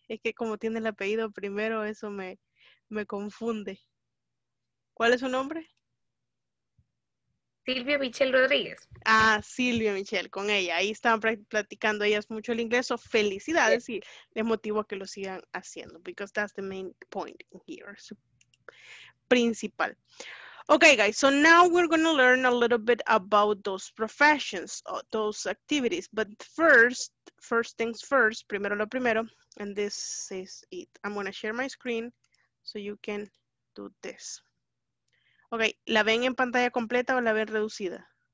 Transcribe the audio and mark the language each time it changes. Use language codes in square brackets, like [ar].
[es] Es que como tiene el apellido primero, eso me confunde. ¿Cuál es su nombre? Silvia Michelle Rodríguez. Ah, Silvia Michelle, con ella. Ahí estaban platicando ellas mucho el inglés. [en] So, [es] felicidades, sí. Y les motivo a que lo sigan haciendo. [en] Because that's the main point here. So, principal. Okay, guys, so now we're going to learn a little bit about those professions, those activities. But first things first, [es] primero lo primero, [en] and this is it. I'm going to share my screen so you can do this. [es] Okay, ¿la ven en pantalla completa o la ven reducida?